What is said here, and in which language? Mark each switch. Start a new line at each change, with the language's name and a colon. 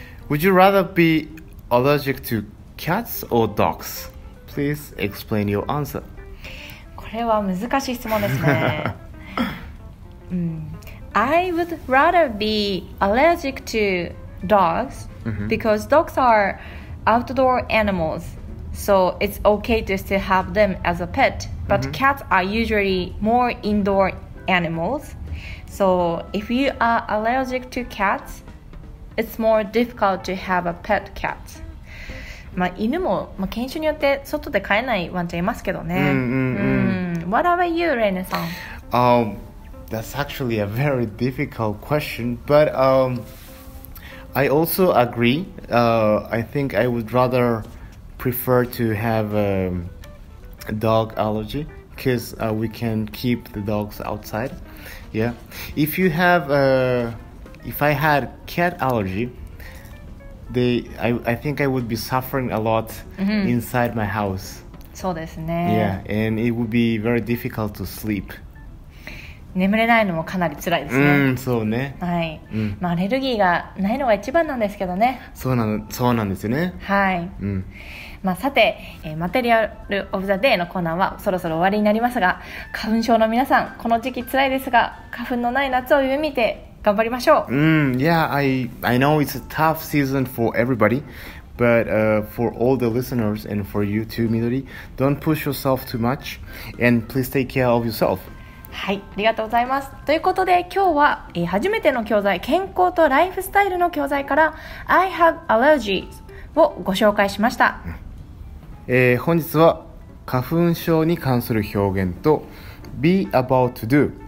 English: Would you rather be allergic to cats or dogs? Please explain your answer.
Japanese: これは難しい質問ですね。
English: I would rather be allergic to dogs because dogs are outdoor animals, so it's okay to still have them as a pet. But cats are usually more indoor animals, so if you are allergic to cats,It's more difficult to have a pet cat.
Japanese: まあ犬も、まあ、犬種によって外で飼えないワンちゃんいますけどね。
English: What about you, Rene さん? That's actually a very difficult question. But I also agree. I think I would rather prefer to have a dog allergy because we can keep the dogs outside. Yeah. If you have a... If I had cat allergy, I think I would be suffering a lot inside my house.
Japanese: そうですね。
English: Yeah, and it would be very difficult to sleep.
Japanese: 眠れないのもかなり辛いですね。そうね。はい。まあアレルギーがないのが一番なんですけどね。そうなんですよね。はい。まあさて、マテリアルオブザデイのコーナーはそろそろ終わりになりますが、花粉症の皆さん、この時期辛いですが、花粉のない夏を夢見て。頑張りましょう。
English: I know it's a tough season for everybody, but for all the listeners and for you too, Midori, don't push yourself too much, and please take care of yourself.
Japanese: はい、ありがとうございます。ということで今日は、初めての教材、健康とライフスタイルの教材から
English: I have allergies
Japanese: をご紹介しました。本日は花粉症に関する表現と be about to do。